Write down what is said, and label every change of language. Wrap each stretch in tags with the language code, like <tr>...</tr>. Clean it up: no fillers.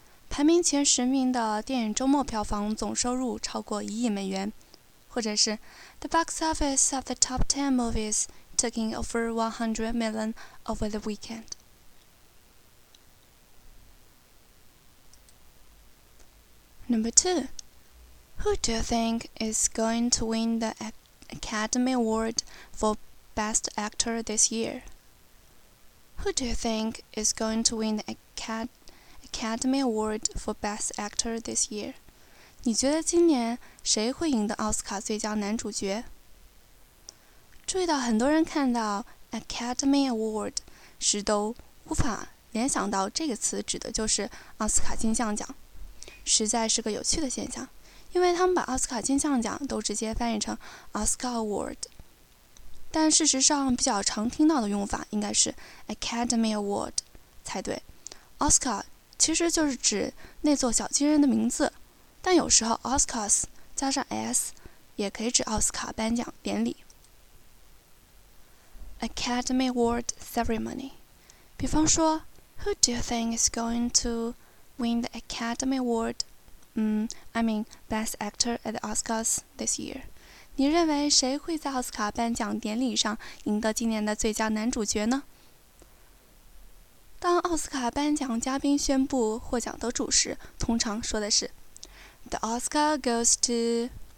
<zh>排名前十名的电影周末票房总收入超过1亿美元。或者是</zh> <en>The box office of the top 10 movies took in over 100 million over the weekend. 2. Who do you think is going to win the Academy Award for Best Actor this year? Who do you think is going to win the Academy Award for Best Actor this year?</en> <zh>你觉得今年谁会赢得奥斯卡最佳男主角？注意到很多人看到 Academy Award 时都无法联想到这个词指的就是奥斯卡金像奖，实在是个有趣的现象，因为他们把奥斯卡金像奖都直接翻译成 Oscar Award， 但事实上比较常听到的用法应该是 Academy Award 才对。 Oscar 其实就是指那座小金人的名字，但有时候 Oscars 加上 S 也可以指奥斯卡颁奖典礼。</zh> <en>Academy Award Ceremony，</en> <zh>比方说</zh> <en>Who do you think is going to win the Academy Award Best Actor at the Oscars this year？</en> <zh>你认为谁会在奥斯卡颁奖典礼上赢得今年的最佳男主角呢？当奥斯卡颁奖嘉宾宣布获奖得主时，通常说的是</zh> <en>The Oscar goes to...</en>